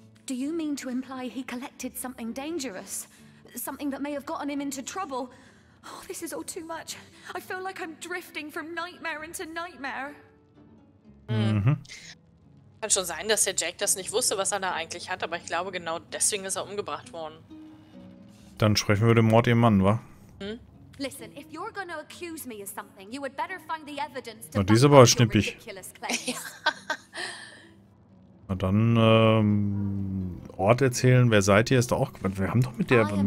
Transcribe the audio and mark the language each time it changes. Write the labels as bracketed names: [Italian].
[English] Do you mean to imply he collected something dangerous? Something that may have gotten him into trouble? Oh, this is all too much. I feel like I'm drifting from nightmare into nightmare. Mhm. [German] Kann schon sein, dass der Jack das nicht wusste, was er da eigentlich hat, aber ich glaube, genau deswegen ist er umgebracht worden. Dann sprechen wir den Mord ihrem Mann, wa? Hm? [English] Listen, if you're gonna accuse me of something, you would better find the evidence to back up your ridiculous claims. [German] Na dann, Ort erzählen, wer seid ihr, ist doch auch... Wir haben doch mit der...